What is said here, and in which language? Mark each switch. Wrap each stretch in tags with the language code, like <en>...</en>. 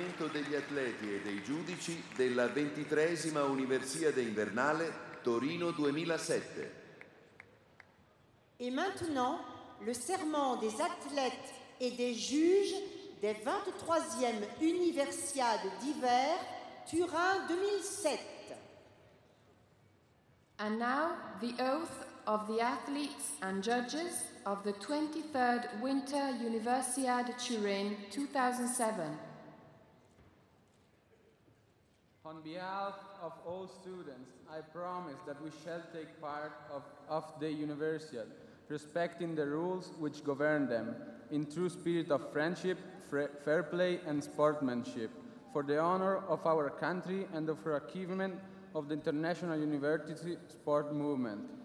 <it>Degli atleti e dei giudici della 23esima Universiade Invernale Torino 2007.</it> <fr>Et maintenant, le serment des athlètes et des juges des 23e Universiade d'hiver Turin 2007.</fr> <en>And now, the oath of the athletes and judges of the 23rd Winter Universiade Turin 2007. On behalf of all students, I promise that we shall take part of the Universiade, respecting the rules which govern them, in true spirit of friendship, fair play, and sportsmanship, for the honor of our country and of our achievement of the international university sport movement.</en>